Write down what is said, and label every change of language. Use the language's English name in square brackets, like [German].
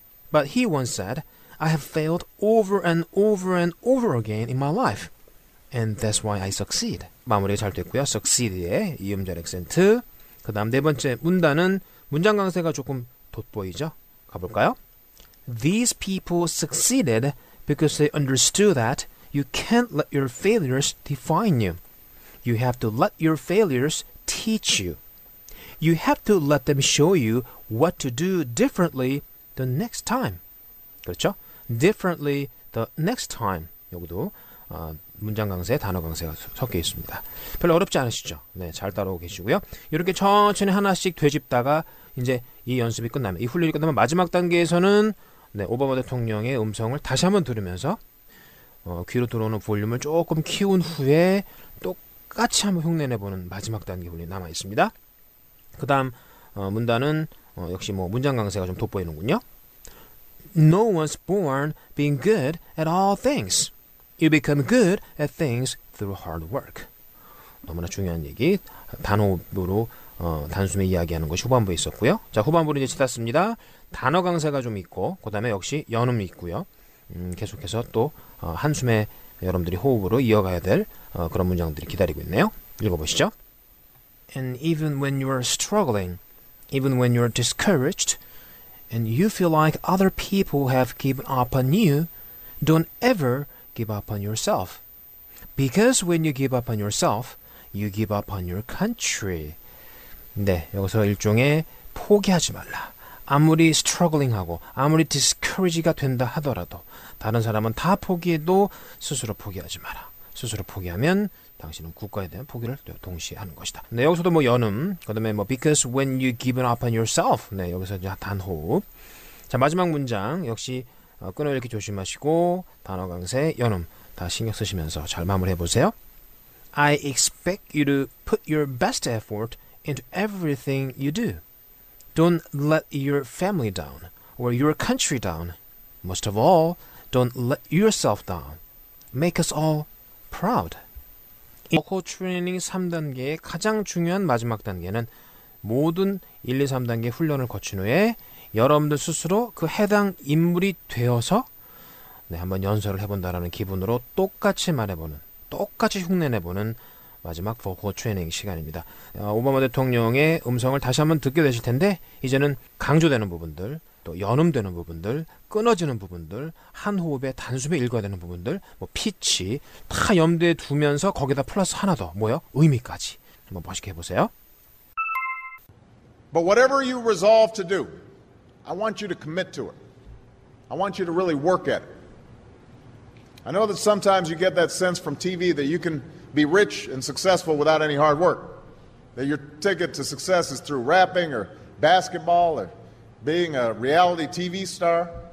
[English] But he once said, I have failed over and over and over again in my life. And that's why I succeed. [Korean] 마무리 잘 됐고요. succeed의 이음절 액센트. 그 다음 네 번째 문단은 문장 강세가 조금 돋보이죠? 가볼까요? [English] These people succeeded because they understood that you can't let your failures define you. You have to let your failures teach you. You have to let them show you what to do differently the next time. [Korean] 그렇죠? [English] Differently the next time. [Korean] 여기도 문장 강세, 단어 강세가 섞여 있습니다. 별로 어렵지 않으시죠? 네, 잘 따라오고 계시고요. 이렇게 천천히 하나씩 되짚다가 이제 이 연습이 끝나면, 이 훈련이 끝나면 마지막 단계에서는 네, 오바마 대통령의 음성을 다시 한번 들으면서 귀로 들어오는 볼륨을 조금 키운 후에 똑같이 한번 흉내내보는 마지막 단계 훈련이 남아있습니다. 그 다음 문단은 역시 뭐 문장 강세가 좀 돋보이는군요. [English] No one's born being good at all things. You become good at things through hard work. [Korean] 너무나 중요한 얘기. 단호흡으로 단숨에 이야기하는 것이 후반부에 있었고요. 자, 후반부는 이제 지났습니다. 단어 강세가 좀 있고, 그 다음에 역시 연음이 있고요. 계속해서 또 한숨에 여러분들이 호흡으로 이어가야 될 그런 문장들이 기다리고 있네요. 읽어보시죠. [English] And even when you're struggling, even when you're discouraged, and you feel like other people have given up on you, don't ever give up on yourself. Because when you give up on yourself, you give up on your country. [Korean] 네, 여기서 일종의 포기하지 말라. 아무리 struggling하고 아무리 discourage가 된다 하더라도 다른 사람은 다 포기해도 스스로 포기하지 마라. 스스로 포기하면 당신은 국가에 대한 포기를 동시에 하는 것이다. 네, 여기서도 뭐 연음, 그 다음에 뭐 [English] because when you give up on yourself, [Korean] 네, 여기서 이제 단호흡. 자, 마지막 문장 역시 끊어읽기 조심하시고 단어 강세, 연음 다 신경 쓰시면서 잘 마무리해 보세요. [English] I expect you to put your best effort into everything you do. Don't let your family down or your country down. Most of all, don't let yourself down. Make us all proud. [Korean] 보코 트레이닝 3단계의 가장 중요한 마지막 단계는 모든 1, 2, 3단계 훈련을 거친 후에 여러분들 스스로 그 해당 인물이 되어서 네, 한번 연설을 해본다라는 기분으로 똑같이 말해보는, 똑같이 흉내내보는 마지막 보코 트레이닝 시간입니다. 오바마 대통령의 음성을 다시 한번 듣게 되실 텐데 이제는 강조되는 부분들, 또 연음되는 부분들, 끊어지는 부분들, 한 호흡에 단숨에 읽어야 되는 부분들, 뭐 피치 다 염두에 두면서 거기다 플러스 하나 더, 뭐요? 의미까지 한번 멋있게 해보세요. [English] But whatever you resolve to do, I want you to commit to it. I want you to really work at it. I know that sometimes you get that sense from TV that you can be rich and successful without any hard work, that your ticket to success is through rapping or basketball or being a reality TV star.